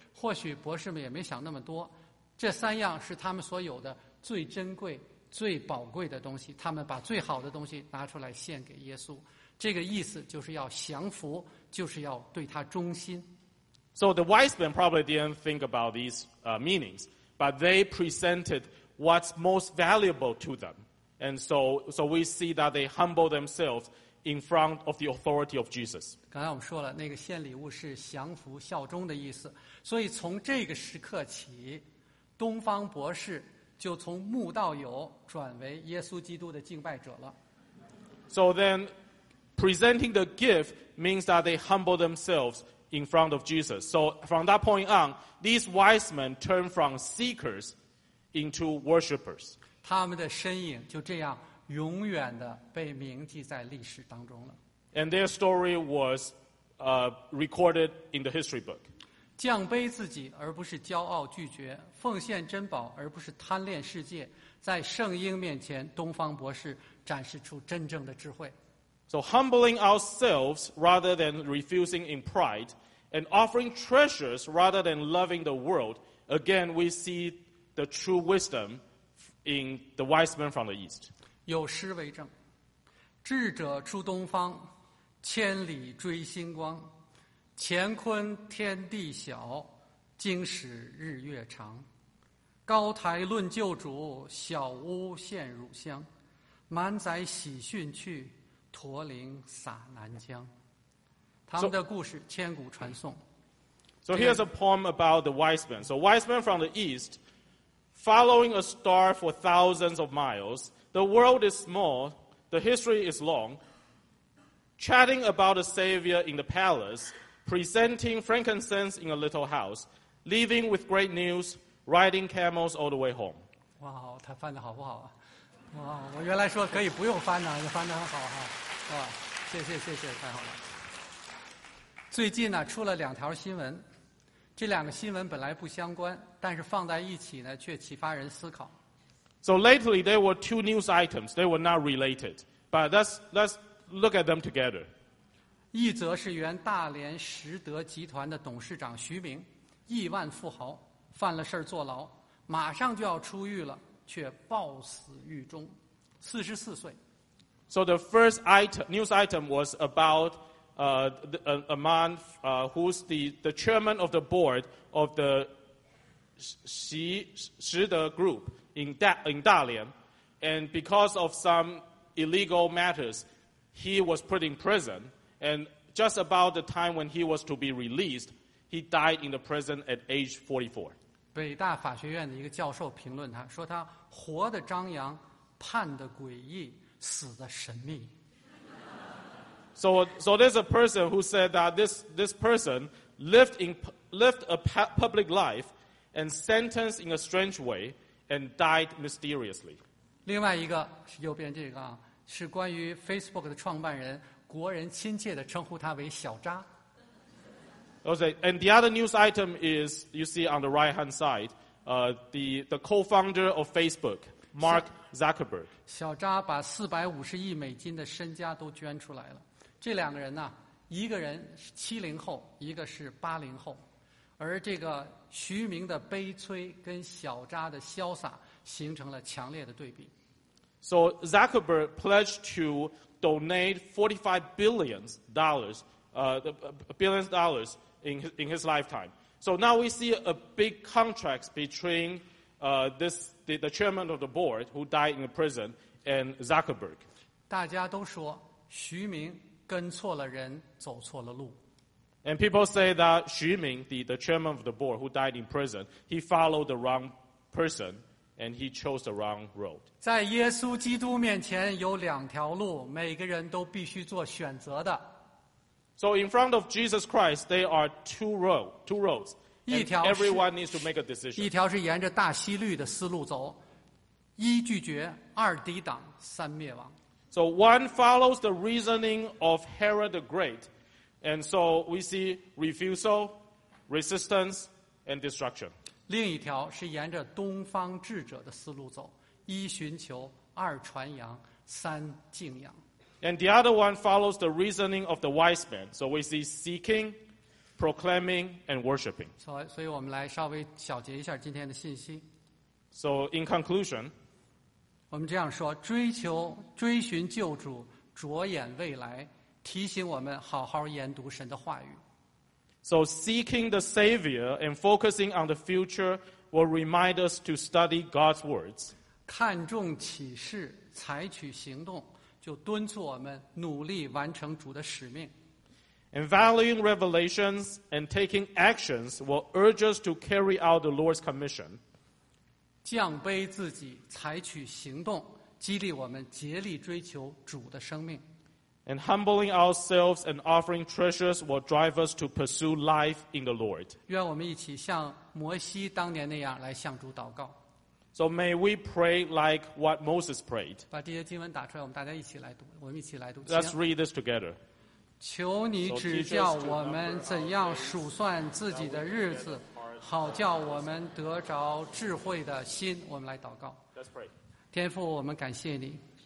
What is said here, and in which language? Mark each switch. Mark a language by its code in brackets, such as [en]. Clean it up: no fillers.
[zh] 或许博士们也没想那么多，这三样是他们所有的最珍贵、最宝贵的东西，他们把最好的东西拿出来献给耶稣，这个意思就是要降服，就是要对他忠心。 [en] So the wise men probably didn't think about these meanings, but they presented what's most valuable to them. And so we see that they humble themselves in front of the authority of Jesus. [zh] 刚才我们说了，那个献礼物是降服效忠的意思。所以从这个时刻起，东方博士就从慕道友转为耶稣基督的敬拜者了。 [en] So then, presenting the gift means that they humble themselves in front of Jesus. So from that point on, these wise men turn from seekers into worshippers. [zh] 他们的身影就这样永远的被铭记在历史当中了。 [en] And their story was recorded in the history book. [zh] 降卑自己而不是骄傲拒绝，奉献珍宝而不是贪恋世界，在圣婴面前东方博士展示出真正的智慧。 [en] So humbling ourselves rather than refusing in pride, and offering treasures rather than loving the world, again we see the true wisdom in the wise men from the east. [zh] 有诗为证，智者出东方，千里追星光，乾坤天地小，经史日月长，高台论旧主，小屋献乳香，满载喜讯去，驼铃洒南江。他们的故事千古传颂。 [en] So here's a poem about the wise men. So wise men from the east, following a star for thousands of miles, the world is small, the history is long, chatting about a savior in the palace, presenting frankincense in a little house, leaving with great news, riding camels all the way home. [zh] 哇，他翻得好不好啊？哇，我原来说可以不用翻呢，翻得很好哈。哇，谢谢谢谢，太好了。最近呢，出了两条新闻，这两个新闻本来不相关，但是放在一起呢，却启发人思考。 [en] So lately there were two news items. They were not related, but let's look at them together. [zh] 一则是原大连实德集团的董事长徐明，亿万富豪，犯了事儿坐牢，马上就要出狱了，却暴死狱中，44岁。 [en] So the first news item was about a man who's the chairman of the board of the 实德 group in Dalian, and because of some illegal matters, he was put in prison. And just about the time when he was to be released, he died in the prison at age 44. [zh] 北大法学院的一个教授评论他说，他活的张扬，判的诡异，死的神秘。 [en] So there's a person who said that this person lived a public life and sentenced in a strange way and died mysteriously. [zh] 另外一个是右边这个啊，是关于 Facebook 的创办人，国人亲切的称呼他为小渣。 [en] Okay, and the other news item is you see on the right hand side, the co-founder of Facebook, Mark Zuckerberg. [zh] 小渣把450亿美金的身家都捐出来了。这两个人呢，一个人是70后，一个是80后，而这个徐明的悲催跟小扎的潇洒形成了强烈的对比。 [en] So Zuckerberg pledged to donate $45 billion, billions dollars in his lifetime. So now we see a big contrast between the chairman of the board who died in a prison and Zuckerberg. [zh] 大家都说徐明跟错了人，走错了路。 [en] And people say that 徐明 the chairman of the board who died in prison, he followed the wrong person and he chose the wrong road. [zh] 在耶稣基督面前有两条路，每个人都必须做选择的。 [en] So in front of Jesus Christ, there are two roads. [zh] 一条是 [en] everyone needs to make a decision. [zh] 一条是沿着大希律的思路走，一拒绝，二抵挡，三灭亡。 [en] So one follows the reasoning of Herod the Great, and so we see refusal, resistance, and destruction. [zh] 另一条是沿着东方智者的思路走，一寻求，二传扬，三敬仰。 [en] And the other one follows the reasoning of the wise man. So we see seeking, proclaiming, and worshiping. [zh] 所以我们来稍微小结一下今天的信息。 [en] So in conclusion, [zh] 我们这样说，追寻救主，着眼未来，提醒我们好好研读神的话语。 [en] So seeking the Savior and focusing on the future will remind us to study God's words. [zh] 看重启示，采取行动，就敦促我们努力完成主的使命。 [en] And valuing revelations and taking actions will urge us to carry out the Lord's commission. [zh] 降卑自己，采取行动，激励我们竭力追求主的生命。 [en] And humbling ourselves and offering treasures will drive us to pursue life in the Lord. [zh] 愿我们一起像摩西当年那样来向主祷告。 [en] So may we pray like what Moses prayed. [zh] 把这些经文打出来，我们大家一起来读，我们一起来读。 [en] Let's read this together. [zh] 求你指教我们怎样数算自己的日子，好叫我们得着智慧的心。我们来祷告。 [en] Let's pray. [zh] 天父，我们感谢你。